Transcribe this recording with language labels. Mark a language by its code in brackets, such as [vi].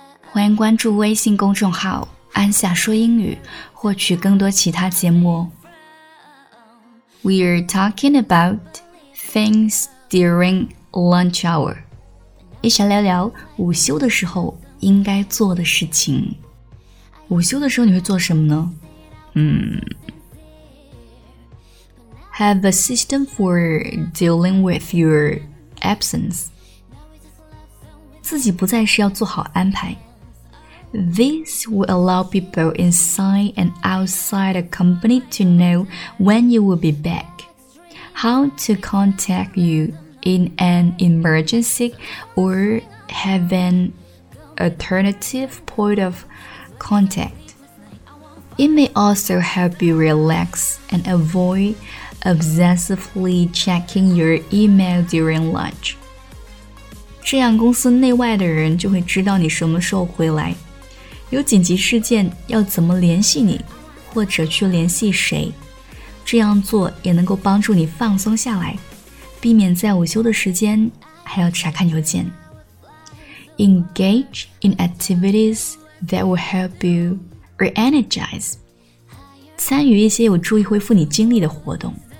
[zh] 欢迎关注微信公众号安夏说英语，获取更多其他节目哦。 [en] We're talking about things during lunch hour. [zh] 一起来聊聊午休的时候应该做的事情。午休的时候你会做什么呢？ [en] Have a system for dealing with your absence. [zh] 自己不在时要做好安排。 [en] This will allow people inside and outside a company to know when you will be back, how to contact you in an emergency, or have an alternative point of contact. It may also help you relax and avoid obsessively checking your email during lunch. [zh] 这样公司内外的人就会知道你什么时候回来。有紧急事件要怎么联系你或者去联系谁，这样做也能够帮助你放松下来，避免在午休的时间还要查看邮件。 [en] Engage in activities that will help you re-energize. [zh] 参与一些有助于恢复你精力的活动。